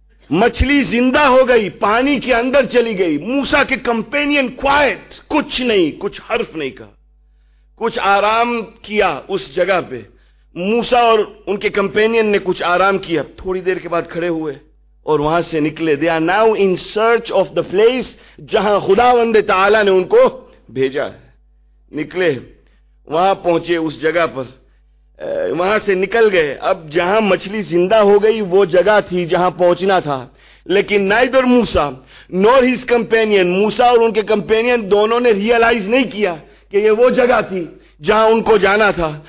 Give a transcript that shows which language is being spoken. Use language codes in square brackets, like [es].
[ur] مچھلی زندہ ہو گئی, پانی کے اندر چلی گئی. موسیٰ کے کمپینین quiet, کچھ نہیں, کچھ حرف نہیں کہا, کچھ آرام کیا اس جگہ پہ. موسیٰ اور ان کے کمپینین نے کچھ آرام کیا, تھوڑی دیر کے بعد کھڑے ہوئے اور وہاں سے نکلے. [en] they are now in search of the place [ur] جہاں خداوند تعالی نے ان کو بھیجا ہے. نکلے, وہاں پہنچے اس جگہ پر, وہاں سے نکل گئے. اب جہاں مچھلی زندہ ہو گئی وہ جگہ تھی جہاں پہنچنا تھا, لیکن [en] neither Musa nor his companion, [ur] موسیٰ اور ان کے کمپینین دونوں نے ریئلائز نہیں کیا کہ یہ وہ جگہ تھی جہاں ان کو جانا تھا.